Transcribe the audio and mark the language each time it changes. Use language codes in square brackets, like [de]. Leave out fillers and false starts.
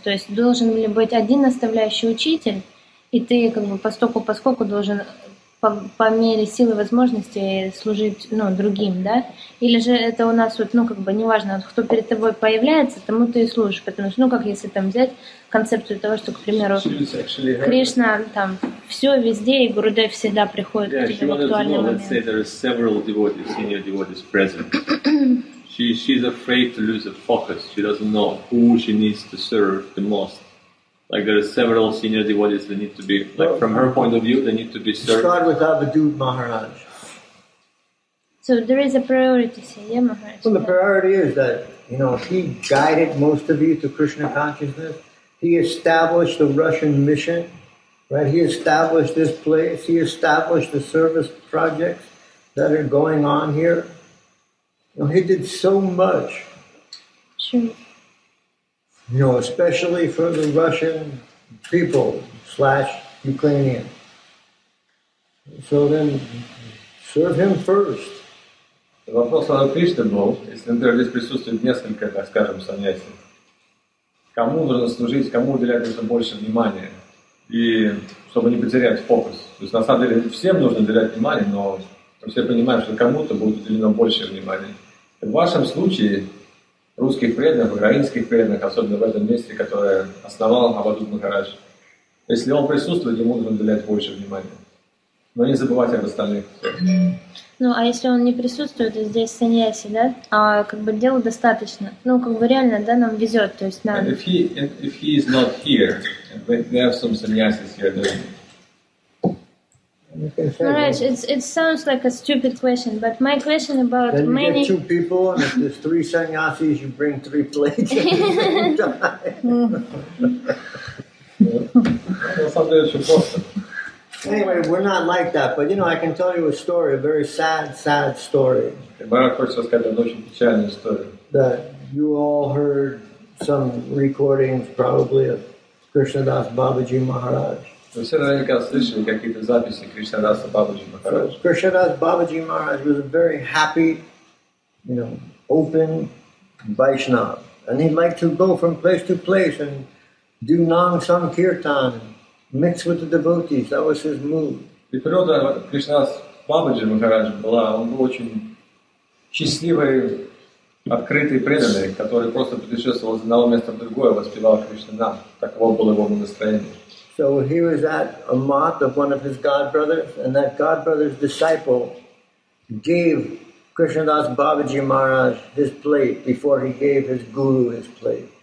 [ru] То есть должен ли быть один наставляющий учитель, и ты, как бы, постольку-поскольку должен по мере силы возможности служить, ну, другим, да? Или же это у нас, вот, ну, как бы, неважно, вот, кто перед тобой появляется, тому ты и служишь. Потому что, ну, как если там взять концепцию того, что, к примеру, Кришна там все везде, и Гурудев всегда приходит к тебе в актуальный момент. [en] Let's say there are several devotees, senior devotees present. She's afraid to lose the focus. She doesn't know who she needs to serve the most. Like, there are several senior devotees that need to be, like, from her point of view, they need to be served. Start with Avadhut Maharaj. So there is a priority, say, yeah, Maharaj. Well, the priority is that, you know, he guided most of you to Krishna consciousness. He established the Russian mission, right? He established this place. He established the service projects that are going on here. You know, he did so much. Sure. You know, especially for the Russian people / Ukrainian. So then, serve him first. [ru] Вопрос о Кришне был, если, например, здесь присутствует несколько, так скажем, саньяси, кому нужно служить, кому уделять нужно больше внимания, и чтобы не потерять фокус. То есть, на самом деле, всем нужно уделять внимание, но все понимаем, что кому-то будет уделено больше внимания. В вашем случае, русских преданных, украинских преданных, особенно в этом месте, которое основал Абадут Махарадж. Если он присутствует, ему нужно уделять больше внимания. Но не забывать об остальных. Ну, а если он не присутствует, то здесь саньяси, да? А как бы дела достаточно. Ну, как бы реально, да, нам везет. То есть нам... [en] If he is not here, we have some sannyasis here, then... Maharaj, it sounds like a stupid question, but my question about many... Then you get two people, and if there's three sannyasis, you bring three plates at the same time. Mm. Anyway, we're not like that, but you know, I can tell you a story, a very sad, sad story. That you all heard some recordings, probably, of Krishnadas Babaji Maharaj. So, Krishnadas Babaji Maharaj was a very happy, you know, open Vaishnava. And he liked to go from place to place and do non-sankirtan, mix with the devotees. That was his mood. [ru] И природа Кришнадас Бабаджи Махарадж была, он был очень счастливый, открытый преданный, который просто путешествовал из одного места в другое, воспевал Кришнадас. Таково было его настроение. [en] So he was at a mat of one of his godbrothers, and that godbrother's disciple gave Krishnadas Babaji Maharaj his plate before he gave his guru his plate.